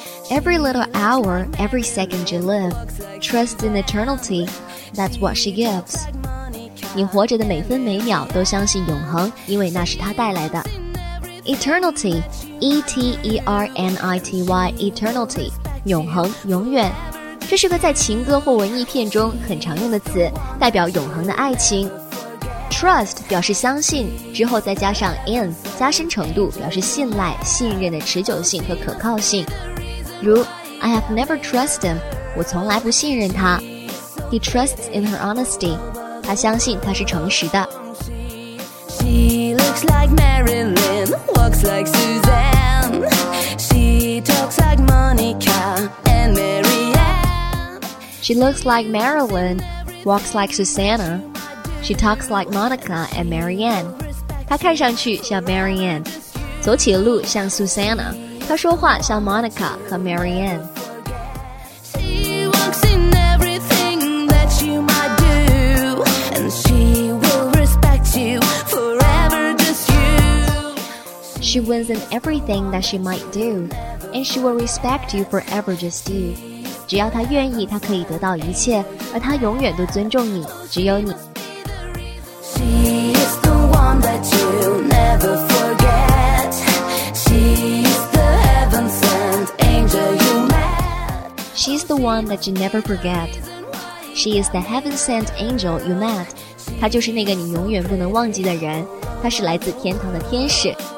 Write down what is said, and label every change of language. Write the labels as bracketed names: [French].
[English] Every little hour, every second you live, trust in eternity, that's what she gives. [Chinese] 你活着的每分每秒都相信永恒，因为那是她带来的。 [English] Eternity, E-T-E-R-N-I-T-Y, eternity, [Chinese] 永恒，永远。这是个在情歌或文艺片中很常用的词，代表永恒的爱情。 Trust 表示相信，之后再加上 in 加深程度，表示信赖、信任的持久性和可靠性。 [English] 如 I have never trusted him， [Chinese] 我从来不信任他。 [English] He trusts in her honesty， [Chinese] 他相信他是诚实的。 [English] She looks like Marilyn， walks like Suzanne， She talks like Monica and Mary She looks like Marilyn, walks like Susanna. She talks like Monica and Marianne. [Chinese] 她看上去像 Marianne. 走起的路像 Susanna. 她说话像 Monica 和 Marianne. [English] She walks in everything that you might do. And she will respect you forever, just you. She wins in everything that she might do. And she will respect you forever, just you. [Chinese] 只要他愿意，他可以得到一切，而他永远都尊重你，只有你。 [English] She is the one that you'll never forget. She is the heaven sent angel you met. She's the one that you never forget. She is the heaven sent angel you met. [Chinese] 她就是那个你永远不能忘记的人，她是来自天堂的天使。